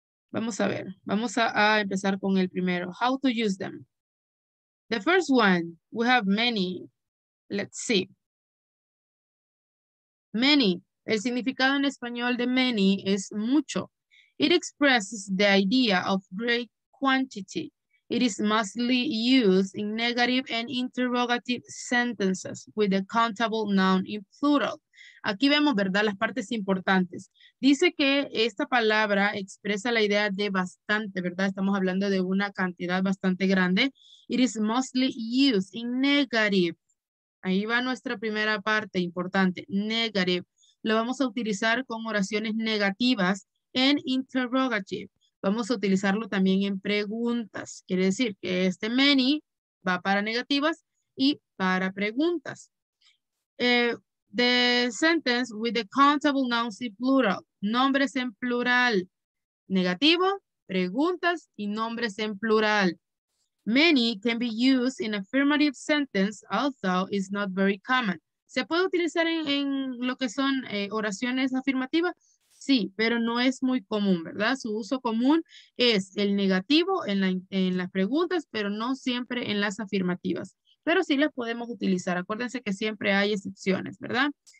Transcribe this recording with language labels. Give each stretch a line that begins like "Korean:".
Spanish: Vamos a ver, vamos a empezar con el primero.
English: How to use them. The first one, we have many. Let's see. Many.
Spanish: El significado en español de many es mucho.
English: It expresses the idea of great quantity. It is mostly used in negative and interrogative sentences with a countable noun in plural.
Spanish: Aquí vemos, ¿verdad?, las partes importantes. Dice que esta palabra expresa la idea de bastante, ¿verdad? Estamos hablando de una cantidad bastante grande.
English: It is mostly used in negative.
Spanish: Ahí va nuestra primera parte importante, negative. Lo vamos a utilizar con oraciones negativas en interrogative. Vamos a utilizarlo también en preguntas. Quiere decir que este many va para negativas y para preguntas.
English: The sentence with the countable nouns in plural.
Spanish: Nombres en plural. Negativo, preguntas y nombres en plural.
English: Many can be used in affirmative sentence, although it's not very common.
Spanish: ¿Se puede utilizar en lo que son oraciones afirmativas? Sí, pero no es muy común, ¿verdad? Su uso común es el negativo en las preguntas, pero no siempre en las afirmativas. Pero sí las podemos utilizar. Acuérdense que siempre hay excepciones, ¿verdad?